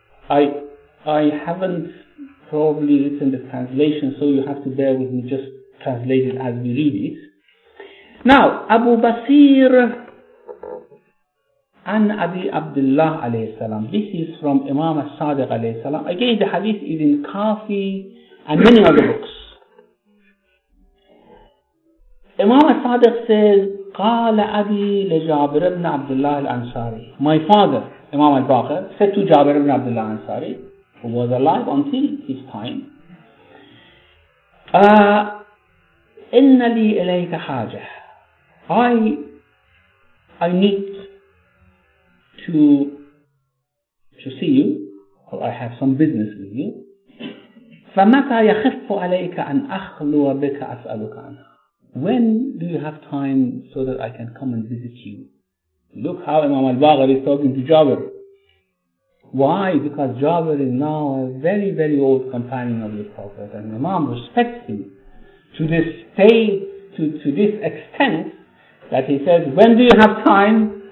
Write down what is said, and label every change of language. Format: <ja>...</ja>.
<en>I haven't probably written the translation, so you have to bear with me, just translate it as we read it. Now, Abu Basir an Abi Abdullah alayhi salam. This is from Imam al-Sadiq alayhi salam. Again, the hadith is in Kafi and many other books. Imam al-Sadiq says,</en> <ar>قال أبي لجابر بن عبد الله الأنصاري.</ar> <en>My father, Imam al-Baqir, said to Jabir ibn Abdullah al-Ansari, who was alive until his time,</en> <ar>إِنَّ لِي إِلَيْكَ حَاجَةً.</ar> <en>I need to see you, or I have some business with you.</en> <ar>فَمَتَى يَخِفُّ عَلَيْكَ أَنْ أَخْلُوَ بِكَ أَسْأَلُكَ عَنْهَا.</ar> <en>When do you have time so that I can come and visit you? Look how Imam al-Baqir is talking to Jabir. Why? Because Jabir is now a very, very old companion of the Prophet, and Imam respects him to this state, to this extent, that he says, when do you have time?</en>